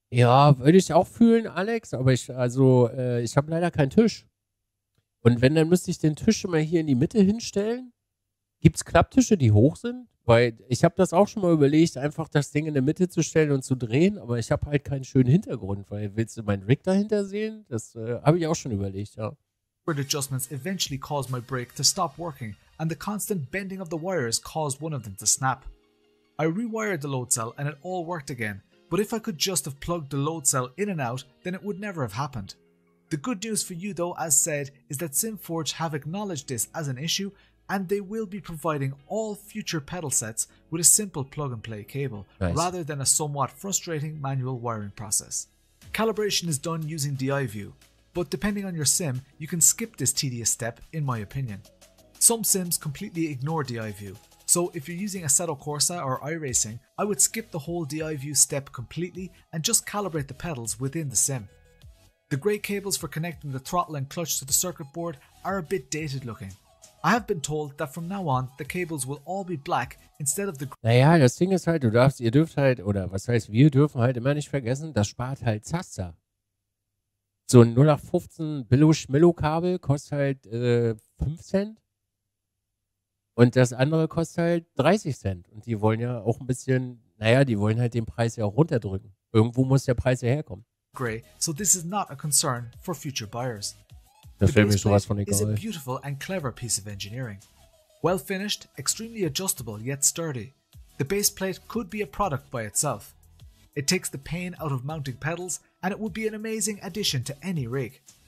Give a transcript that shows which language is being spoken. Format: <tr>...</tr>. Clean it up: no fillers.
<de>Ja, würde ich auch fühlen, Alex, aber ich habe leider keinen Tisch. Und wenn, dann müsste ich den Tisch immer hier in die Mitte hinstellen. Gibt es Klapptische, die hoch sind? Weil ich habe das auch schon mal überlegt, einfach das Ding in der Mitte zu stellen und zu drehen, aber ich habe halt keinen schönen Hintergrund, weil willst du meinen Rig dahinter sehen? Das habe ich auch schon überlegt, ja.</de> <en>Awkward adjustments eventually caused my brake to stop working and the constant bending of the wires caused one of them to snap. I rewired the load cell and it all worked again. But if I could just have plugged the load cell in and out, then it would never have happened. The good news for you though, as said, is that SimForge have acknowledged this as an issue and they will be providing all future pedal sets with a simple plug and play cable, nice, rather than a somewhat frustrating manual wiring process. Calibration is done using DiView, but depending on your sim, you can skip this tedious step in my opinion. Some sims completely ignore DiView. So if you're using assetto Corsa or iRacing, I would skip the whole DiView step completely and just calibrate the pedals within the sim. The grey cables for connecting the throttle and clutch to the circuit board are a bit dated looking. I have been told that from now on the cables will all be black instead of the grey.</en> <de>Naja, das Ding ist halt, wir dürfen halt immer nicht vergessen, das spart halt Zaster. So ein 0815 Billo-Schmillo-Kabel kostet halt 5 Cent. Und das andere kostet halt 30 Cent. Und die wollen ja auch ein bisschen, die wollen halt den Preis ja auch runterdrücken. Irgendwo muss der Preis ja herkommen.</de> <en>Grey, so this is not a concern for future buyers.</en> <de>Das wäre mir sowas von egal.</de> <en>Is a beautiful and clever piece of engineering. Well finished, extremely adjustable, yet sturdy. The base plate could be a product by itself. It takes the pain out of mounting pedals and it would be an amazing addition to any rig.</en>